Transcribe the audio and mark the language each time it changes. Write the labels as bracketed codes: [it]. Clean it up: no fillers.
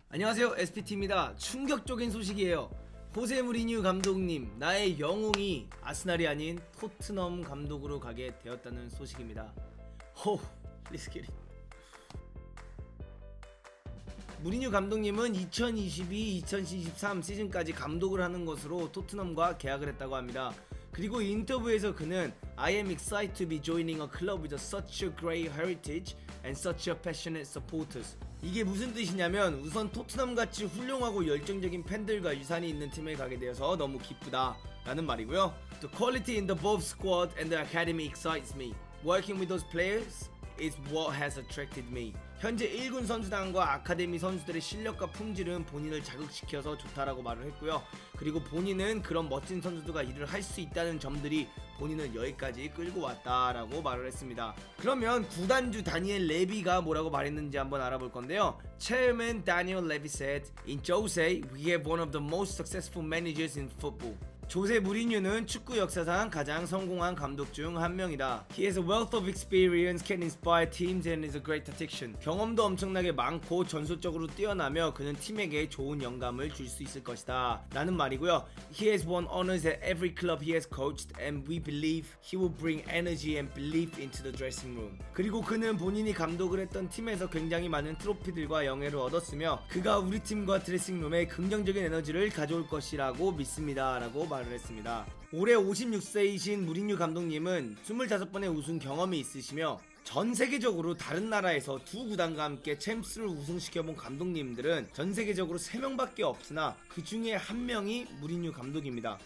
[ko] 안녕하세요, SPT입니다. 충격적인 소식이에요. 호세 무리뉴 감독님, 나의 영웅이 아스날이 아닌 토트넘 감독으로 가게 되었다는 소식입니다. 호우, 리스케리. 무리뉴 감독님은 2022-2023 시즌까지 감독을 하는 것으로 토트넘과 계약을 했다고 합니다. 그리고 인터뷰에서 그는 [en] I am excited to be joining a club with such a great heritage and such a passionate supporters. [ko] 이게 무슨 뜻이냐면 우선 토트넘같이 훌륭하고 열정적인 팬들과 유산이 있는 팀에 가게 되어서 너무 기쁘다 라는 말이고요. [en] The quality in the both squad and the academy excites me. Working with those players is what has attracted me. [ko] 현재 1군 선수단과 아카데미 선수들의 실력과 품질은 본인을 자극시켜서 좋다라고 말을 했고요. 그리고 본인은 그런 멋진 선수들과 일을 할 수 있다는 점들이 본인을 여기까지 끌고 왔다라고 말을 했습니다. 그러면 구단주 다니엘 레비가 뭐라고 말했는지 한번 알아볼 건데요. [en] Chairman Daniel Levy said, In Jose, we have one of the most successful managers in football. [ko] 조세 무리뉴는 축구 역사상 가장 성공한 감독 중 한 명이다. [en] He has a wealth of experience, can inspire teams and is a great tactician. [ko] 경험도 엄청나게 많고 전술적으로 뛰어나며 그는 팀에게 좋은 영감을 줄 수 있을 것이다. 라는 말이고요. [en] He has won honors at every club he has coached and we believe he will bring energy and belief into the dressing room. [ko] 그리고 그는 본인이 감독을 했던 팀에서 굉장히 많은 트로피들과 영예를 얻었으며 그가 우리 팀과 드레싱룸에 긍정적인 에너지를 가져올 것이라고 믿습니다. 라고 말을 했습니다. 올해 56세이신 무리뉴 감독님은 25번의 우승 경험이 있으시며 전 세계적으로 다른 나라에서 두 구단과 함께 챔스를 우승시켜본 감독님들은 전 세계적으로 3명밖에 없으나 그 중에 한 명이 무리뉴 감독입니다.